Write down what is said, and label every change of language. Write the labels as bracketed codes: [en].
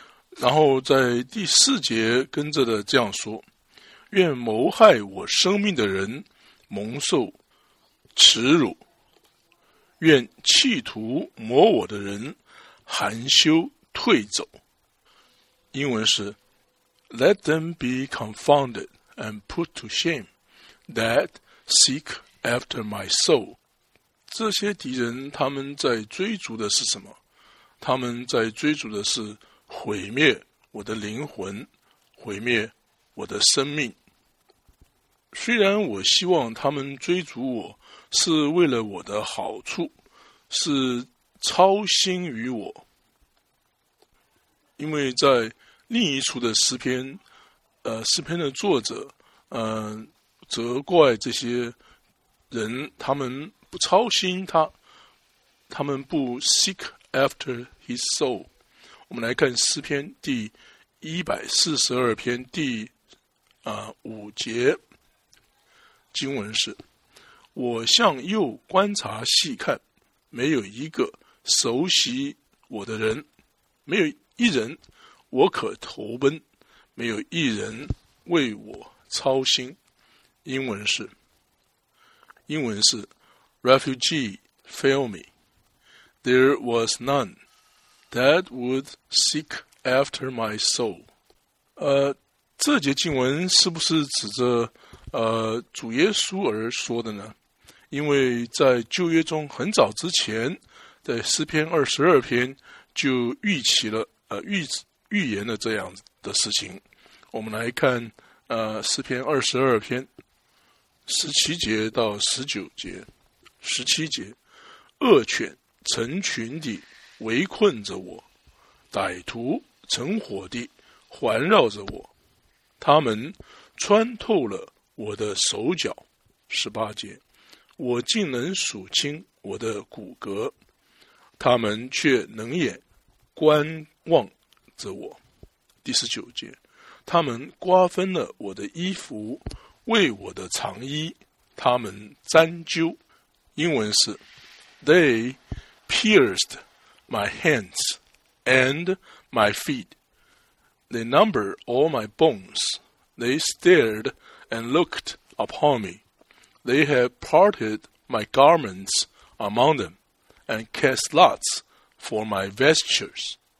[zh] 然后在第四节跟着的这样说，愿谋害我生命的人蒙受耻辱，愿企图磨我的人含羞退走。 [en] 英文是 Let them be confounded and put to shame that seek after my soul。 [zh] 这些敌人他们在追逐的是什么？他们在追逐的是毁灭我的灵魂，毁灭我的生命。虽然我希望他们追逐我是为了我的好处，是操心于我，因为在另一处的诗篇，诗篇的作者，责怪这些人，他们不操心他，他们不 [en] seek after his soul。 [zh] 我们来看诗篇第142篇第五节，经文是：我向右观察细看，没有一个熟悉我的人，没有一人我可投奔，没有一人为我操心。 [en] 英文是 Refugee fail me, there was none that would seek after my soul。 [zh] 这节经文是不是指着主耶稣而说的呢？因为在旧约中很早之前，在诗篇22篇就预期了预言了这样的事情。我们来看诗篇22篇17节到19节。 17节：恶犬成群地围困着我，歹徒成伙地环绕着我，他们穿透了我的手脚。 18节：我竟能数清我的骨骼，他们却冷眼观望着我。第19节：他们瓜分了我的衣服，为我的长衣他们沾灸。 [en] 英文是 They pierced my hands and my feet, they numbered all my bones, they stared and looked upon me, they have parted my garments among them and cast lots for my vestures。